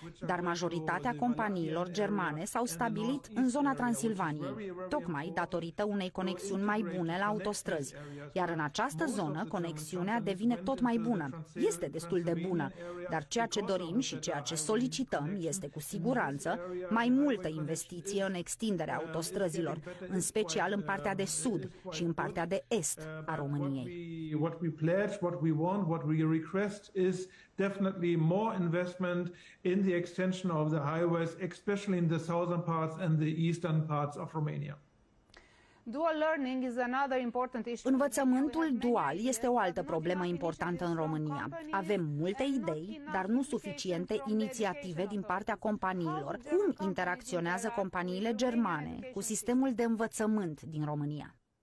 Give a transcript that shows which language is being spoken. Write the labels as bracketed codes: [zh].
[ro] Dar majoritatea companiilor germane s-au stabilit în zona Transilvaniei, tocmai datorită unei conexiuni mai bune la autostrăzi. Iar în această zonă, conexiunea devine tot mai bună. Este destul de de bună, dar ceea ce dorim și ceea ce solicităm este cu siguranță mai multă investiție în extinderea autostrăzilor, în special în partea de sud și în partea de est a României. [en] What we pledge, what we want, what we request is definitely more investment in the extension of the highways, especially in the southern parts and the eastern parts of Romania. Dual learning is another important issue. [ro] Învățământul dual este o altă problemă importantă în România. Avem multe idei, dar nu suficiente inițiative din partea companiilor. Cum interacționează companiile germane cu sistemul de învățământ din România?